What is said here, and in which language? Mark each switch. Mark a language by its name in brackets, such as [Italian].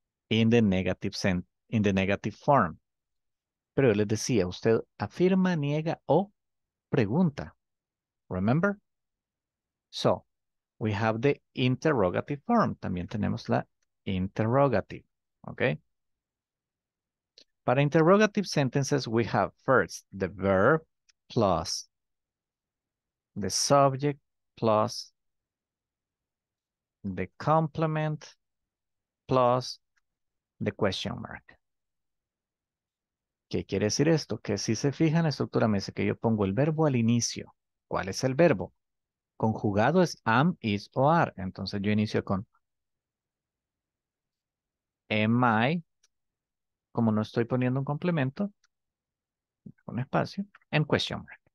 [English] In the negative sense, in the negative form. [Spanish] Pero yo les decía, usted afirma, niega o pregunta. [English] Remember? So, we have the interrogative form. [Spanish] También tenemos la interrogative. Okay? [English] Para interrogative sentences, we have first the verb plus the subject plus the complement plus the question mark. [Spanish] ¿Qué quiere decir esto? Que si se fijan, la estructura me dice que yo pongo el verbo al inicio. ¿Cuál es el verbo? Conjugado es am, is o are. Entonces yo inicio con am I, como no estoy poniendo un complemento, un espacio, and question mark.